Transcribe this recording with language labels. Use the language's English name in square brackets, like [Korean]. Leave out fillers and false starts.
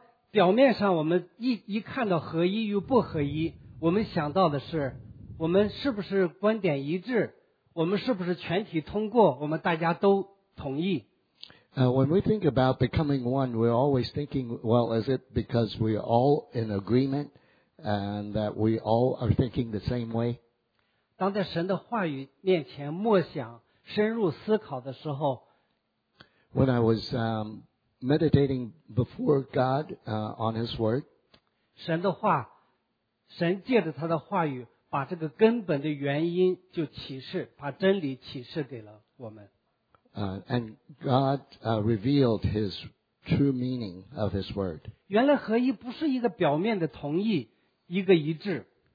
[Chinese] 表面上我们一看到合一与不合一，我们想到的是我们是不是观点一致，我们是不是全体通过，我们大家都同意。 [English] When we think about becoming one, we're always thinking, well, is it because we're all in agreement and that we all are thinking the same way? [Chinese] 当在神的话语面前默想深入思考的时候， [English] When I was meditating before God on His Word. [Chinese] 神的话，神借着他的话语，把这个根本的原因就启示，把真理启示给了我们。 [English] And God revealed His true meaning of His Word. [Chinese] 原来合一不是一个表面的同意，一个一致。